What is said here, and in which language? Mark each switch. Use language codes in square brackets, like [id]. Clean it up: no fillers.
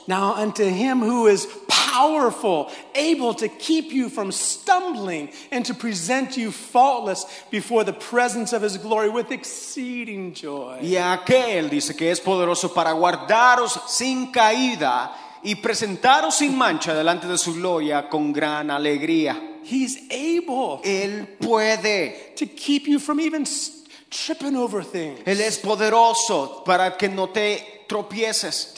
[en] Now unto him who is powerful, able to keep you from stumbling and to present you faultless before the presence of his glory with exceeding joy. [es] Y aquel dice que es poderoso para guardaros sin caída y presentaros sin mancha delante de su gloria con gran alegría. [en] He's able. [es] Él puede. [en] To keep you from even tripping over things. [es] Él es poderoso para que no te tropieces.